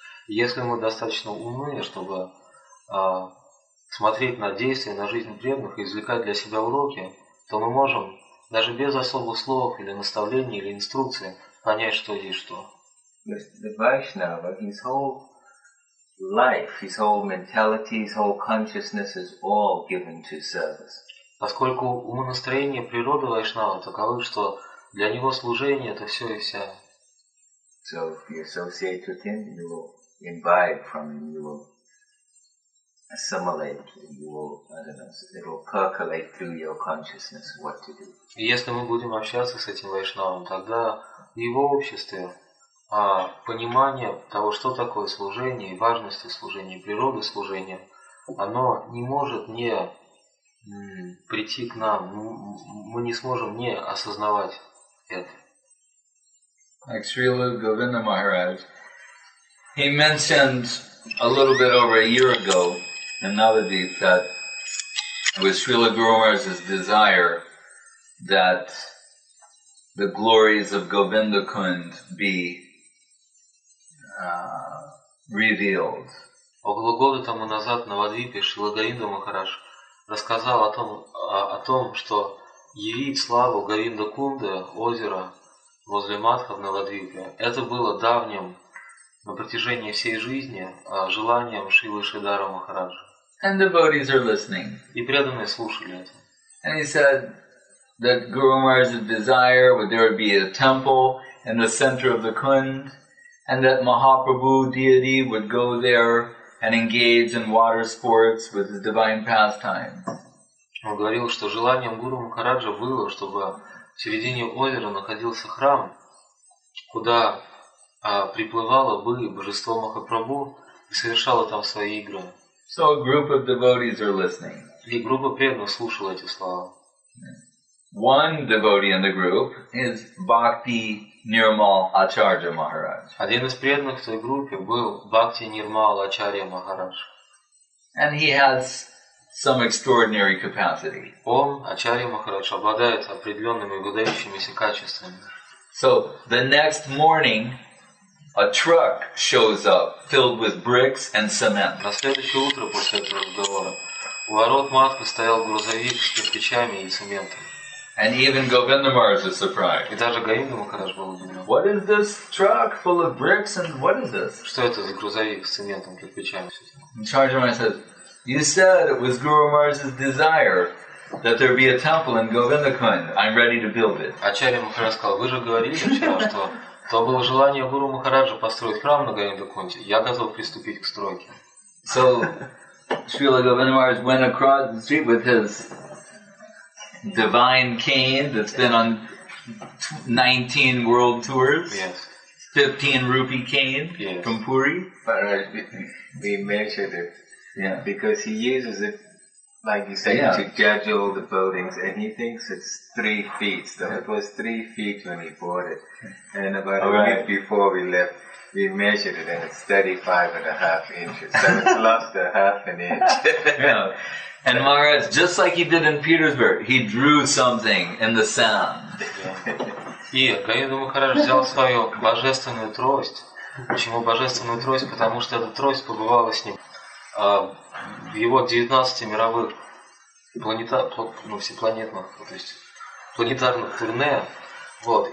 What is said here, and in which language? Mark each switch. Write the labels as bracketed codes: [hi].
[ru] Если мы достаточно умны, чтобы смотреть на действия, на жизнь преданных и извлекать для себя уроки, то мы можем даже без особых слов или наставлений или инструкций понять, что есть что. [en] The Vaishnava, his whole life, his whole mentality, his whole consciousness is all given to service. [ru] Поскольку умонастроение природы Вайшнава таковы, что для него служение это все и вся. [en] So if you associate with him, you will imbibe from him, you will assimilate, you will, I don't know, it will percolate through your consciousness what to do. [ru] И если мы будем общаться с этим Вайшнавом, тогда в его обществе понимание того, что такое служение и важности служения, природы служения, оно не может не прийти к нам, мы не сможем не осознавать это. [en] Like Srila Govinda Maharaj, he mentioned a little bit over a year ago in Navadvip that it was Srila Guru Maharaj's desire that the glories of Govinda Kund be revealed. [ru] Около года тому назад на Навадвипе Шрила Говинда Махарадж рассказал о том, что явить славу Говинда Кунда, озеро возле Матха в Навадвипе, это было давним, на протяжении всей жизни, желанием Шрилы Шридхара Махараджа. [en] And devotees are listening. [ru] И преданные слушали это. [en] And he said that Guru Maharaj's desire would there be a temple in the center of the Kund, and that Mahaprabhu deity would go there and engage in water sports with his divine pastimes. [ru] Он говорил, что желанием Гуру Махараджа было, чтобы в середине озера находился храм, куда приплывало бы божество Махапрабху и совершало там свои игры. [en] So a group of devotees are listening. [ru] И группа преданных слушала эти слова. [en] One devotee in the group is Bhakti Nirmal Acharya Maharaj. [ru] Один из преданных в той группе был Бхакти Нирмал Ачарья Махарадж. [en] And he has some extraordinary capacity. [ru] Он, Ачарья Махарадж, обладает определенными выдающимися качествами. [en] So the next morning, a truck shows up filled with bricks and cement. [ru] На следующее утро после этого разговора у ворот Матха стоял грузовик с кирпичами и цементом. [en] And even Govinda Maharaj was surprised. [ru] И даже Говинда Махарадж был удивлен. [en] What is this truck full of bricks and what is this? [ru] Что это за грузовик с цементом, кирпичами? [en] Acharya Maharaj said, "You said it was Guru Maharaj's desire that there be a temple in Govindakund. I'm ready to build it." [ru] Acharya Maharaj сказал, вы же говорили вчера, что то было желание Гуру Махараджа построить храм на Говиндакунде. Я готов приступить к стройке. [en] So Srila Govinda Maharaj went across the street with his divine cane that's been on 19 world tours. Yes. 15 rupee cane. Yes. From Puri. Maharaj, we measured it. Yeah. Because he uses it, like you say, yeah, to judge all the buildings, and he thinks it's 3 feet. So yeah, it was 3 feet when he bought it. And about all a right, week before we left, we measured it and it's 35.5 inches. So it's lost a half an inch. Yeah. And Maharaj, just like he did in Petersburg, he drew something in the sand. [ru] И Говинда Махарадж взял свою божественную трость. Почему божественную трость? Потому что эта трость побывала с ним в его 19 мировых планетарных турне. Вот.